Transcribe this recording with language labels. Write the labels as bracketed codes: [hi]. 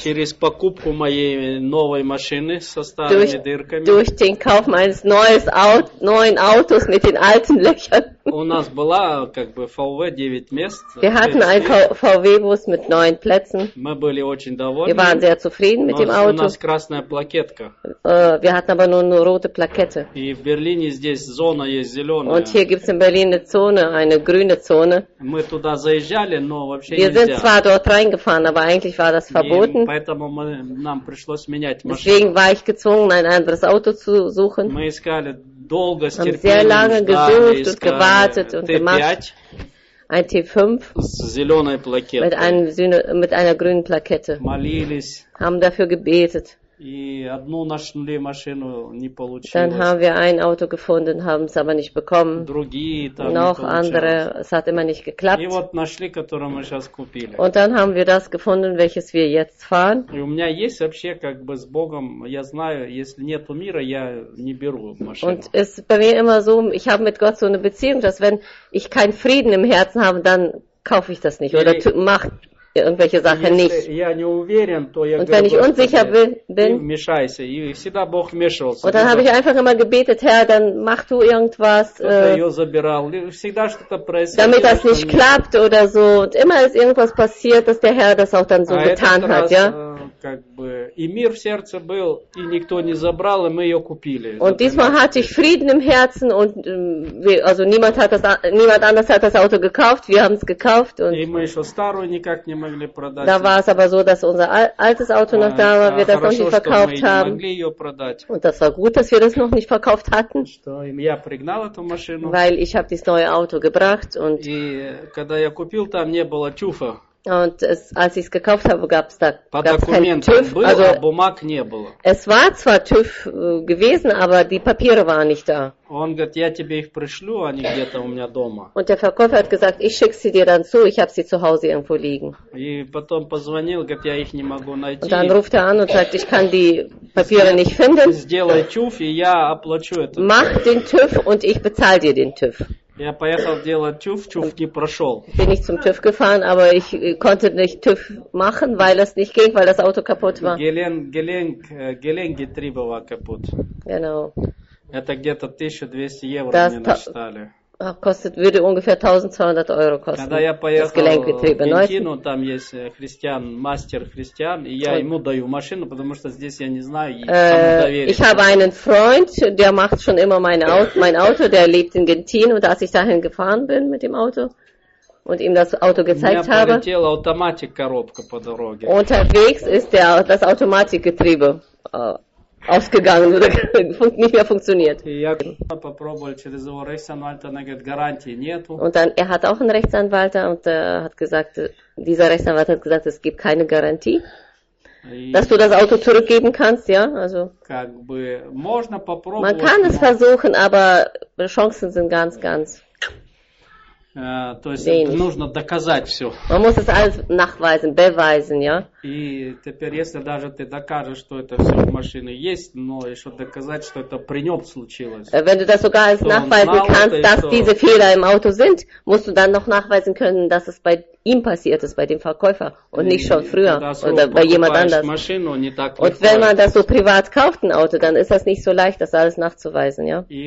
[ru] Через покупку моей новой машины со старыми дырками. [de] Durch den Kauf meines neuen Autos mit den alten Löchern. [ru] У нас была как бы VW 9 мест. [de] Wir hatten einen VW Bus mit 9 Plätzen. [ru] Мы были очень довольны. [de] Wir waren sehr zufrieden mit dem Auto. [ru] У нас красная плакетка. [de] Wir hatten aber nur eine rote Plakette. [ru] И в Берлине здесь зона есть зеленая. [de] Und hier gibt's in Berlin eine Zone, eine grüne Zone. [ru] Мы туда заезжали, но вообще нельзя. [de] Wir sind zwar dort reingefahren, aber eigentlich war das verboten. [ru] Поэтому нам пришлось менять машину. [de] Deswegen war ich gezwungen, ein anderes Auto zu suchen. [ru] Мы искали долго, [de] haben sehr lange gesucht und gewartet und gemacht. Ein T5 mit einer grünen Plakette. [ru] Молились. [de] Haben dafür gebetet. [ru] И одну нашли машину, не получилось. [de] Dann haben wir ein Auto gefunden, haben es aber nicht bekommen. [ru] Другие, там [de] noch andere, es hat immer nicht geklappt. [ru] И вот нашли, которое мы сейчас купили. [de] Und dann haben wir das gefunden, welches wir jetzt fahren. [ru] И у меня есть вообще как бы с Богом, я знаю, если нету мира, я не беру машину. [de] Und es ist bei mir immer so, ich habe mit Gott so eine Beziehung, dass wenn ich keinen Frieden im Herzen habe, dann kaufe ich das nicht oder mache irgendwelche Sachen nicht. Und wenn ich unsicher bin, und dann habe ich einfach immer gebetet, Herr, dann mach du irgendwas, damit das nicht klappt oder so. Und immer ist irgendwas passiert, dass der Herr das auch dann so getan hat, ja? [ru] Как бы и мир в сердце был, и никто не забрал, и мы ее купили. [de] Und diesmal hatte ich Frieden im Herzen und also niemand anders hat das Auto gekauft, wir haben es gekauft. [ru] И мы еще старую никак не могли продать. [de] Da war es aber so, dass unser altes Auto noch da war, wir das noch nicht verkauft haben. [ru] Хорошо, что мы не могли ее продать. [de] Und das war gut, dass wir das noch nicht verkauft hatten. [ru] Что я пригнал эту машину. [de] Weil ich habe das neue Auto gebracht und. [ru] И когда я купил, там не было ТЮФа. [de] Und es, als ich es gekauft habe, gab es da keinen TÜV. [ru] Был, [de] also, [ru] бумаг не было. [de] Es war zwar TÜV gewesen, aber die Papiere waren nicht da. [ru] Он говорит, я тебе их пришлю, они где-то у меня дома. [de] Und der Verkäufer hat gesagt, ich schicke sie dir dann zu, ich habe sie zu Hause irgendwo liegen. [ru] И потом позвонил, говорит, я их не могу найти. [de] Und dann ruft er an und sagt, ich kann die Papiere nicht finden. [ru] Сделай TÜV, и я оплачу это. [de] Mach den TÜV und ich bezahle dir den TÜV. [ru] Я поехал делать TÜV, TÜV не прошел. [de] Bin ich zum TÜV gefahren, aber ich konnte nicht TÜV machen, weil es nicht ging, weil das Auto kaputt war. Gelenkgetriebe war kaputt. Genau. [ru] Это где-то 1200 евро das мне насчитали. [de] Kostet, würde ungefähr 1200 Euro kosten. [ru] Когда я поехал [de] das Gelenkgetriebe, [ru] в Кино, там есть Христиан, мастер Христиан, и я ему даю машину, потому что здесь я не знаю, ему доверить. [de] Ich habe einen Freund, der macht schon immer mein Auto, der lebt in Gentin, und als ich dahin gefahren bin mit dem Auto und ihm das Auto gezeigt habe, unterwegs ist das Automatikgetriebe ausgegangen oder nicht mehr funktioniert. Und dann, er hat auch einen Rechtsanwalt und hat gesagt, dieser Rechtsanwalt hat gesagt, es gibt keine Garantie, dass du das Auto zurückgeben kannst, ja, also man kann es versuchen, aber Chancen sind ganz, ganz [ru] то есть [de] wenig. [ru] Нужно доказать все. [de] Man muss es alles nachweisen, beweisen, ja? [ru] И теперь, если даже ты докажешь, что это все в машине есть, но еще доказать, что это при нем случилось. [de] Wenn du das sogar als nachweisen kannst, это, dass diese Fehler im Auto sind, musst du dann noch nachweisen können, dass es bei ihm passiert ist, bei dem Verkäufer und nicht schon früher oder bei jemand anders. Und wenn man das so privat kauft, ein Auto, dann ist das nicht so leicht, das alles nachzuweisen. Ja?